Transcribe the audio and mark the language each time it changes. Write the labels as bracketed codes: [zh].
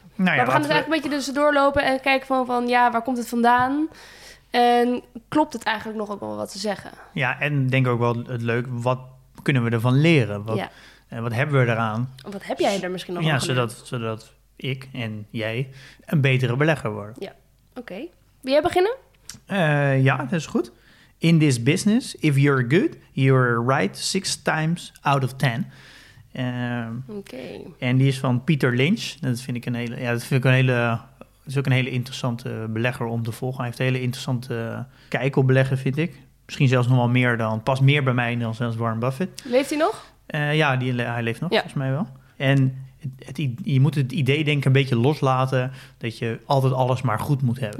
[nl] Nou ja, maar we gaan het eigenlijk een beetje dus doorlopen en kijken van ja, waar komt het vandaan? En klopt het eigenlijk nog ook wel wat ze zeggen? Ja, en denk ook wel het leuk, wat kunnen we ervan leren? Wat, ja. En wat hebben we eraan? Wat heb jij er misschien nog aan? Ja, zodat ik en jij een betere belegger worden. Ja, oké. Okay. Wil jij beginnen? Ja, dat is goed. [en] In this business, if you're good, you're right 6 times out of 10. [nl] Oké. En die is van Peter Lynch. Dat vind ik een hele, ja, dat vind ik een hele, is ook een hele interessante belegger om te volgen. Hij heeft een hele interessante kijk op beleggen, vind ik. Misschien zelfs nog wel meer dan, pas meer bij mij dan zelfs Warren Buffett. Leeft hij nog? Hij leeft nog, ja. Volgens mij wel. En je moet het idee, denk ik, een beetje loslaten dat je altijd alles maar goed moet hebben.